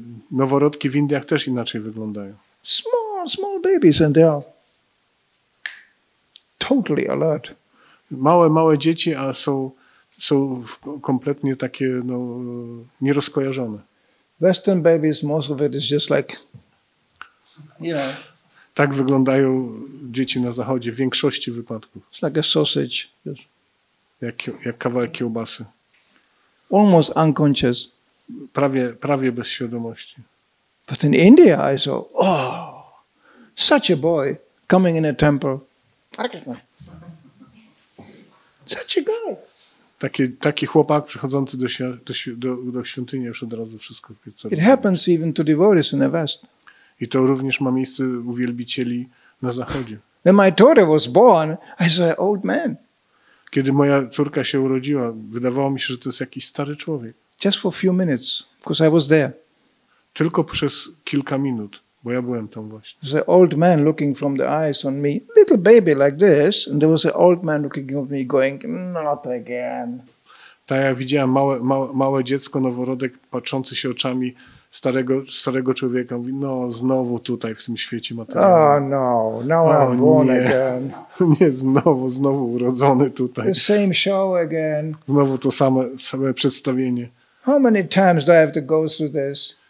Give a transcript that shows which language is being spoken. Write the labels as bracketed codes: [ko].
[pl] Noworodki w Indiach też inaczej wyglądają. [en] Small babies and they are totally alert. [pl] Małe dzieci, a są kompletnie takie nierozkojarzone. [en] Western babies, most of it is just like, you know. [pl] Tak wyglądają dzieci na zachodzie w większości wypadków. [en] It's like a sausage. [pl] Jak kawałek kiełbasy. [en] Almost unconscious. [pl] Prawie bez świadomości. [en] But in India I saw, oh, such a boy coming in a temple. Such a girl. [pl] Taki chłopak przychodzący do świątyni już od razu wszystko. [en] It happens even to devotees in the West. [pl] I to również ma miejsce u wielbicieli na zachodzie. [en] When my daughter was born, I saw an old man. [pl] Kiedy moja córka się urodziła, wydawało mi się, że to jest jakiś stary człowiek. [en] Just for a few minutes, because I was there. [pl] Tylko przez kilka minut, bo ja byłem tam właśnie. [en] The old man looking from the eyes on me, little baby like this, and there was an old man looking at me going, not again. [pl] Tak, ja widziałem małe dziecko, noworodek, patrzący się oczami starego człowieka. Mówi, no znowu tutaj w tym świecie materialnym. [en] Oh no, now I'm born [pl] nie. [en] again. [pl] Nie, znowu urodzony tutaj. [en] The same show again. [pl] Znowu to same przedstawienie. [en] How many times do I have to go through this?